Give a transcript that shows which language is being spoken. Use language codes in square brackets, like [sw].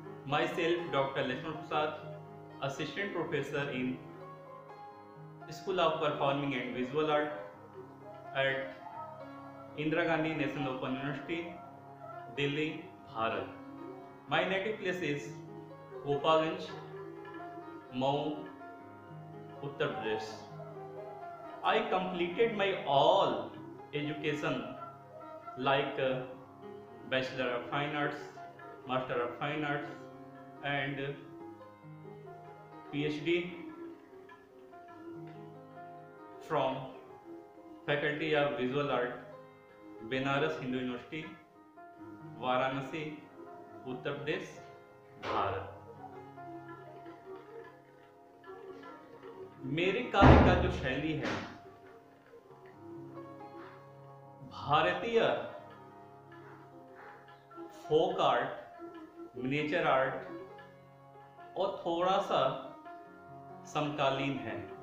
[en] My self doctor Lakshman Prasad, assistant professor in school of performing and visual art at Indira Gandhi national open university Delhi Bharat. My native place is Gopalganj Mau Uttar Pradesh. I completed my all education like Bachelor of Fine Arts, Master of Fine Arts and PhD from Faculty of Visual Art, Benaras Hindu University, Varanasi, Uttar Pradesh, Bharat. [hi] Meri kaavya ka jo shaili hai, Bharatiya folk art, miniature art और थोड़ा सा समकालीन है।